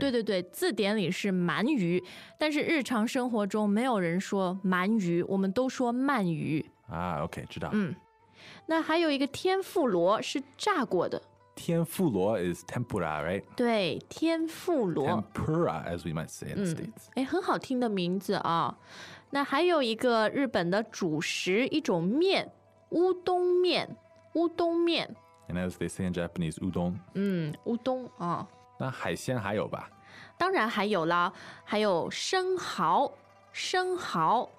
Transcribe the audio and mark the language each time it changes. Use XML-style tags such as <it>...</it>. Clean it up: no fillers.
<zh>对对对，字典里是鳗鱼，但是日常生活中没有人说鳗鱼，我们都说鳗鱼。啊，</zh> <en>OK,</en> <zh>知道。嗯，那还有一个天妇罗是炸过的。</zh> <en>天妇罗 is tempura, right?</en> <zh>对，天妇罗。</zh> <en>Tempura, as we might say in the States.</en> <zh>哎，很好听的名字啊。那还有一个日本的主食，一种面，乌冬面，乌冬面。</zh> <en>And as they say in Japanese, 乌冬。</en> <zh>嗯，乌冬啊。那海鲜还有吧？当然还有了，还有生蚝，生蚝。</zh>